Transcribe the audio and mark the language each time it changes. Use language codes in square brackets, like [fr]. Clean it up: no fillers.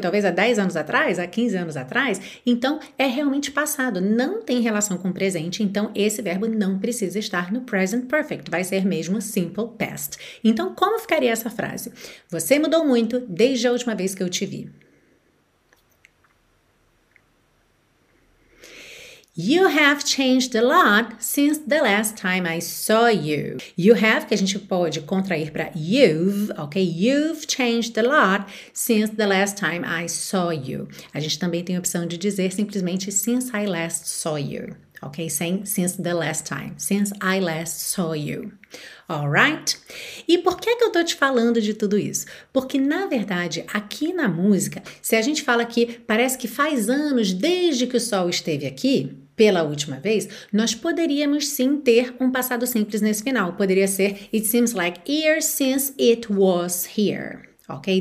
[pt] Talvez há 10 anos atrás, há 15 anos atrás. Então, é realmente passado, não tem relação com o presente. Então, esse verbo não precisa estar no present perfect. Vai ser mesmo simple past. Então, como ficaria essa frase? Você mudou muito desde a última vez que eu te vi. [en] You have changed a lot since the last time I saw you. You have, [pt] que a gente pode contrair para you've, ok? [en] You've changed a lot since the last time I saw you. [pt] A gente também tem a opção de dizer simplesmente [en] since I last saw you, [pt] ok? [en] Saying since the last time, since I last saw you. Alright? [pt] E por que que eu tô te falando de tudo isso? Porque, na verdade, aqui na música, se a gente fala que parece que faz anos desde que o sol esteve aqui, pela última vez, nós poderíamos sim ter um passado simples nesse final. Poderia ser, [en] it seems like years since it was here. Ok?